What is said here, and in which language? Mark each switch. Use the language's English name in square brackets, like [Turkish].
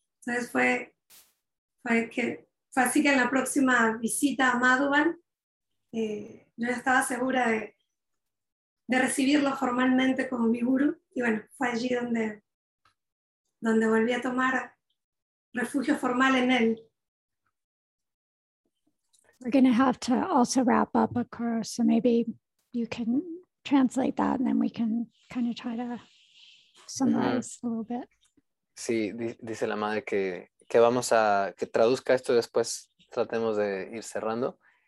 [Spanish] Entonces fue así que en la próxima visita a Madhuban, yo ya estaba segura de recibirlo formalmente como mi guru, y bueno, fue allí donde volví a tomar refugio formal en él. [English] We're going to have to also wrap up, of course, so maybe you can translate that and then we can kind of try to summarize a little bit. [Spanish] Sí, dice la madre que vamos a que traduzca esto y después tratemos de ir cerrando.